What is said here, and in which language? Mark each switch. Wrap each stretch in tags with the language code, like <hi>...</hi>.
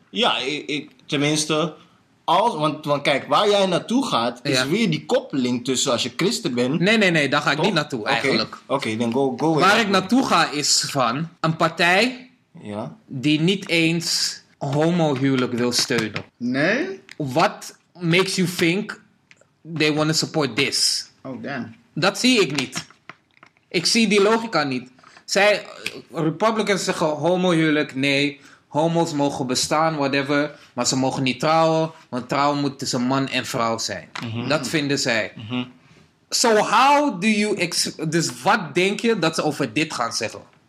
<nl>Ja, ik tenminste... Als, want kijk, waar jij naartoe gaat, is weer die koppeling tussen als je christen bent... Nee, daar ga ik niet naartoe, eigenlijk.</nl> <en>Okay, then go ahead.</en> <nl>Waar ik naartoe ga is van een partij die niet eens homohuwelijk wil steunen. Nee?</nl> <en>What makes you think they want to support this? Oh, damn.</en> <nl>Dat zie ik niet. Ik zie die logica niet. Zij, Republicans zeggen homohuwelijk, nee... Homo's mogen bestaan, whatever. Maar ze mogen niet trouwen. Want trouwen moet tussen man en vrouw zijn. Mm-hmm. Dat vinden zij. Mm-hmm.</nl> <en>So how do you...</en> <nl>Dus wat denk je dat ze over dit gaan zeggen?</nl>